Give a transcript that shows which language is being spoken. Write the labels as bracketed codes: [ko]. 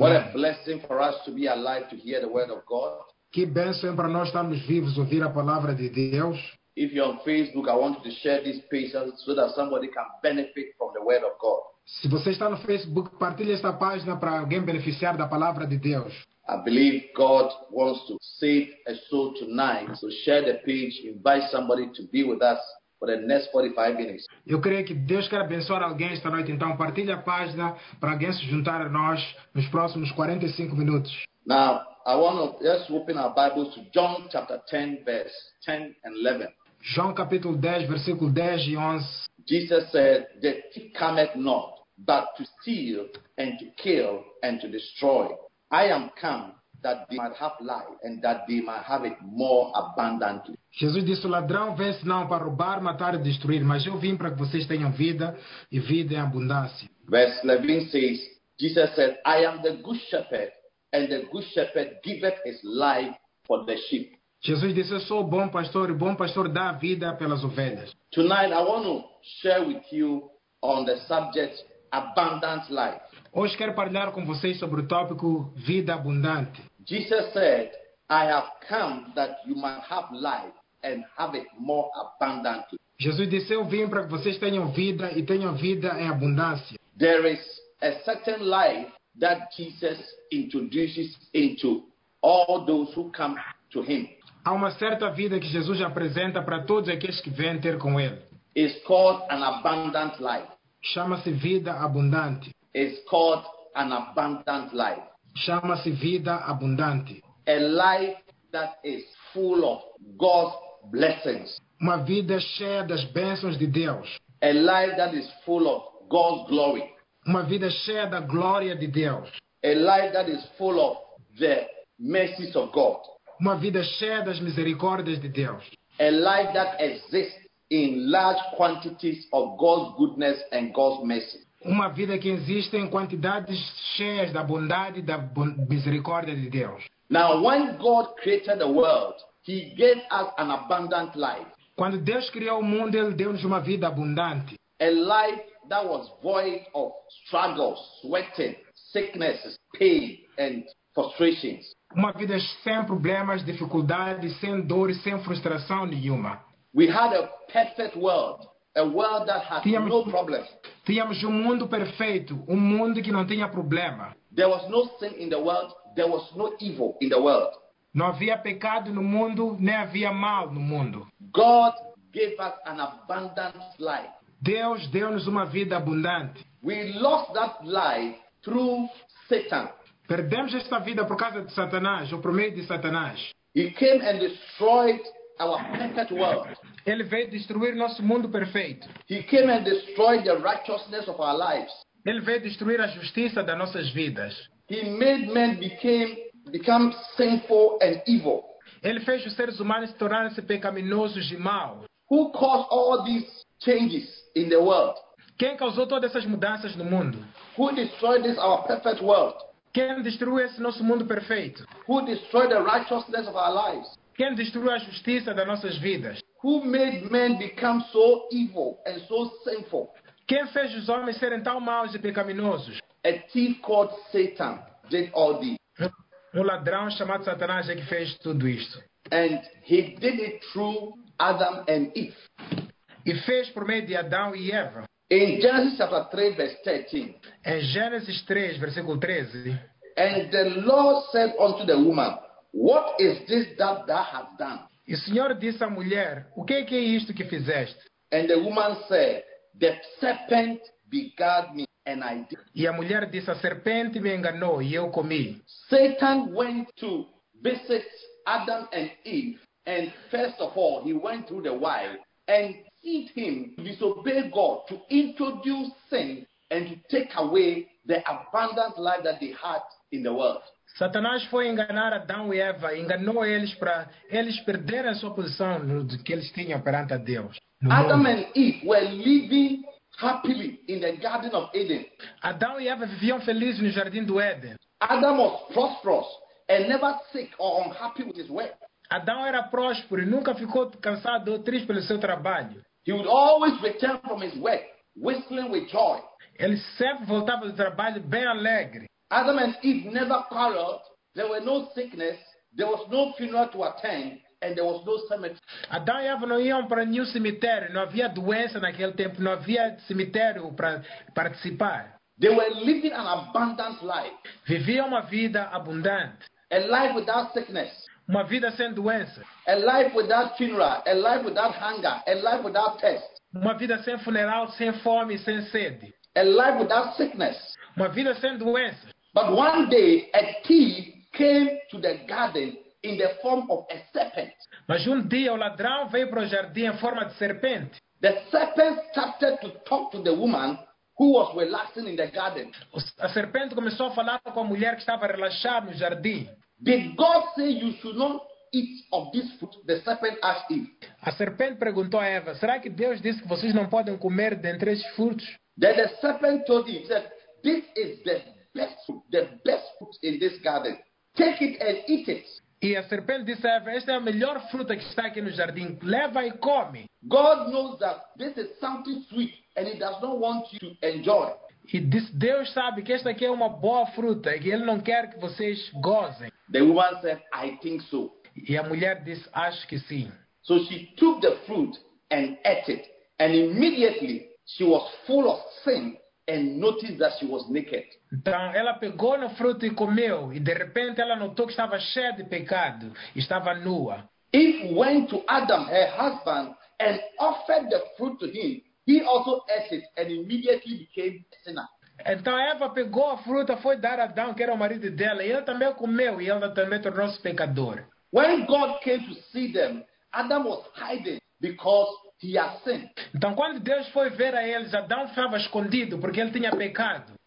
[en] What a blessing for us to be alive to hear the word of God. [pt] Que bênção para nós estarmos vivos ouvir a palavra de Deus. [en] If you're on Facebook, I want you to share this page so that somebody can benefit from the word of God. [pt] Se você está no Facebook, partilhe esta página para alguém beneficiar da palavra de Deus. [en] I believe God wants to save a soul tonight. So share the page, invite somebody to be with us for the next 45 minutes. [pt] Eu creio que Deus quer abençoar alguém esta noite, então partilhe a página para alguém se juntar a nós nos próximos 45 minutos. [en] Now, I want to just open our Bibles to John chapter 10, verse 10 and 11. [pt] João capítulo 10, versículo 10 e 11. [en] Jesus said, "The thief cometh not, but to steal and to kill and to destroy. I am come that they might have life and that they might have it more abundantly." [pt] Jesus disse, o ladrão vem senão para roubar, matar e destruir, mas eu vim para que vocês tenham vida e vida em abundância. [en] Verse 11 says, Jesus said, "I am the good shepherd, and the good shepherd giveth his life for the sheep." [pt] Jesus disse, eu sou bom pastor, e bom pastor dá vida pelas ovelhas. [en] Tonight I want to share with you on the subject abundant life. [pt] Hoje quero partilhar com vocês sobre o tópico vida abundante. [en] Jesus said, "I have come that you might have life and have it more abundantly." [pt] Jesus disse, eu vim para que vocês tenham vida e tenham vida em abundância. [en] There is a certain life that Jesus introduces into all those who come to him. [pt] Há uma certa vida que Jesus apresenta para todos aqueles que vêm ter com ele. [en] It's called an abundant life. [pt] Chama-se vida abundante. [en] It's called an abundant life. [pt] Chama-se vida abundante. [en] A life that is full of God's blessings. [pt] Uma vida cheia das bênçãos de Deus. [en] A life that is full of God's glory. [pt] Uma vida cheia da glória de Deus. [en] A life that is full of the mercies of God. [pt] Uma vida cheia das misericórdias de Deus. [en] A life that exists in large quantities of God's goodness and God's mercy. [pt] Uma vida que existe em quantidades cheias da bondade e da misericórdia de Deus. [en] Now, when God created the world, he gave us an abundant life. [pt] Quando Deus criou o mundo, ele deu-nos uma vida abundante. [en] A life that was void of struggles, sweating, sicknesses, pain, and frustrations. [pt] Uma vida sem problemas, dificuldades, sem dores, sem frustração nenhuma. [en] We had a perfect world, a world that had no problems. [pt] Tínhamos um mundo perfeito, um mundo que não tinha problema. [en] There was no sin in the world, there was no evil in the world. [pt] Não havia pecado no mundo, nem havia mal no mundo. [en] God gave us an abundant life. [pt] Deus deu-nos uma vida abundante. [en] We lost that life through Satan. [pt] Perdemos esta vida por causa de Satanás, ou por meio de Satanás. [en] He came and destroyed our perfect world. [pt] Ele veio destruir nosso mundo perfeito. [en] He came and destroyed the righteousness of our lives. [pt] Ele veio destruir a justiça das nossas vidas. [en] He made men become sinful and evil. [pt] Ele fez os seres humanos se tornarem-se pecaminosos e maus. [en] Who caused all these changes in the world? [pt] Quem causou todas essas mudanças no mundo? [en] Who destroyed this our perfect world? [pt] Quem destruiu esse nosso mundo perfeito? [en] Who destroyed the righteousness of our lives? [pt] Quem destruiu a justiça das nossas vidas? [en] Who made men become so evil and so sinful? [pt] Quem fez os homens serem tão maus e pecaminosos? [en] A thief called Satan did all this. [pt] Um ladrão chamado Satanás é que fez tudo isto. [en] And he did it through Adam and Eve. [pt] E fez por meio de Adão e Eva. [en] In Genesis chapter 3, verse 13. [pt] Em Gênesis 3, versículo 13. [en] And the Lord said unto the woman, "What is this that thou hast done?" [pt] E o Senhor disse à mulher, o que é isto que fizeste? [en] And the woman said, "The serpent beguiled me, and I did." [pt] E a mulher disse, a serpente me enganou e eu comi. [en] Satan went to visit Adam and Eve, and first of all, he went through the wild and seed him to disobey God, to introduce sin, and to take away the abundant life that they had in the world. [pt] Satanás foi enganar Adão e Eva, enganou eles para eles perderem a sua posição que eles tinham perante a Deus. [en] Adam and Eve were living happily in the Garden of Eden. [pt] Adão e Eva viviam felizes no Jardim do Éden. [en] Adam was prosperous and never sick or unhappy with his work. [pt] Adão era próspero e nunca ficou cansado ou triste pelo seu trabalho. [en] He would always return from his work, whistling with joy. [pt] Ele sempre voltava do trabalho bem alegre. [en] Adam and Eve never quarreled. There were no sickness. There was no funeral to attend, and there was no cemetery. [pt] Adão e Eva não iam para nenhum cemitério. Não havia doença naquele tempo. Não havia cemitério para participar. [en] They were living an abundant life. [pt] Viviam uma vida abundante. [en] A life without sickness. [pt] Uma vida sem doença. [en] A life without funeral. A life without hunger. A life without thirst. [pt] Uma vida sem funeral, sem fome, sem sede. [en] A life without sickness. [pt] Uma vida sem doença. [en] But one day a thief came to the garden in the form of a serpent. [pt] Mas dia o ladrão veio para o jardim em forma de serpente. [en] The serpent started to talk to the woman who was relaxing in the garden. [pt] A serpente começou a falar com a mulher que estava relaxada no jardim. [en] Did God say you should not eat of this fruit? The serpent asked Eve. [pt] A serpente perguntou a Eva, será que Deus disse que vocês não podem comer dentre estes frutos? [en] Then the serpent told Eve, said, this is the best fruit in this garden. Take it and eat it. [pt] E a serpente disse a Eva, esta é a melhor fruta que está aqui no jardim. Leva e come. [en] God knows that this is something sweet and he does not want you to enjoy. [pt] E disse, Deus sabe que esta aqui é uma boa fruta e ele não quer que vocês gozem. [en] The woman said, I think so. [pt] E a mulher disse, acho que sim. [en] So she took the fruit and ate it. And immediately she was full of sin. And noticed that she was naked. [pt] Então ela pegou no fruto e comeu, e de repente ela notou que estava cheia de pecado, e estava nua. [en] Eve went to Adam, her husband, and offered the fruit to him. He also ate it and immediately became a sinner. [pt] Então Eva pegou a fruta, foi dar a Adão, que era o marido dela, e ele também comeu, e ela também tornou-se pecador. [en] When God came to see them, Adam was hiding because he had sinned. [pt] Então, quando Deus foi ver a eles, Adão estava escondido porque ele tinha pecado.